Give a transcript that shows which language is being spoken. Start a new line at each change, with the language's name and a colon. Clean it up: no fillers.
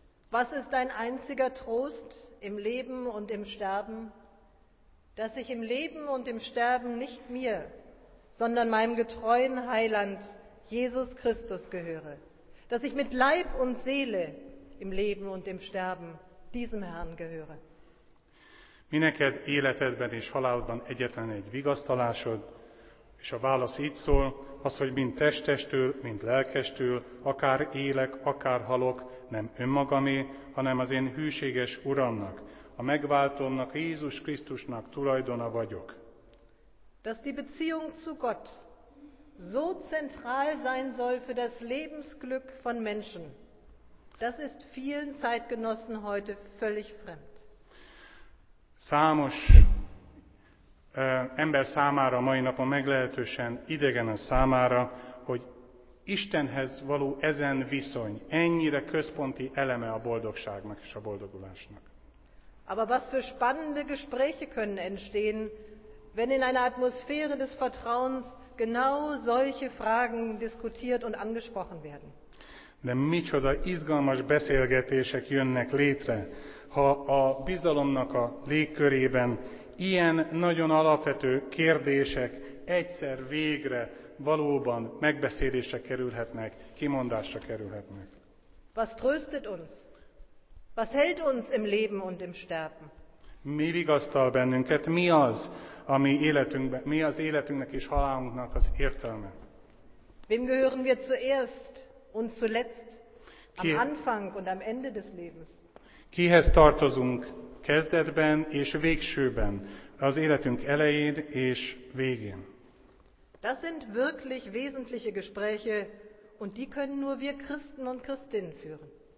German: Was ist dein einziger Trost im Leben und im Sterben, dass ich im Leben und im Sterben nicht mir, sondern meinem getreuen Heiland Jesus Christus gehöre, dass ich mit Leib und Seele im Leben und im Sterben diesem Herrn gehöre.
Hungarian: Mi neked életedben és halálodban egyetlen egy vigasztalásod, és a válasz így szól, az, hogy mind testestül, mind lelkestül, akár élek, akár halok, nem önmagamé, hanem az én hűséges Uramnak, a megváltónak, Jézus Krisztusnak tulajdona vagyok.
German: Dass die Beziehung zu Gott so zentral sein soll für das Lebensglück von Menschen, das ist vielen Zeitgenossen heute völlig fremd.
Hungarian: Számos ember számára mai napon meglehetősen idegen a számára, hogy Istenhez való ezen viszony ennyire központi eleme a boldogságnak és a boldogulásnak.
German: Aber was für spannende Gespräche können entstehen, wenn in einer Atmosphäre des Vertrauens genau solche Fragen diskutiert und angesprochen werden.
Hungarian: De micsoda izgalmas beszélgetések jönnek létre, ha a bizalomnak a légkörében ilyen nagyon alapvető kérdések egyszer végre valóban megbeszélésre kerülhetnek, kimondásra kerülhetnek.
German: Was tröstet uns? Was hält uns im Leben und im Sterben?
Hungarian: Mi vigasztal bennünket? Mi az, ami életünkben, mi az életünknek és halálunknak az értelme?
German: Wem gehören wir zuerst und zuletzt, am Anfang und am Ende des Lebens?
Hungarian: Kihez tartozunk kezdetben és végsőben, az életünk elején és végén?
German: Das sind wirklich wesentliche Gespräche, und die können nur wir Christen und Christinnen führen.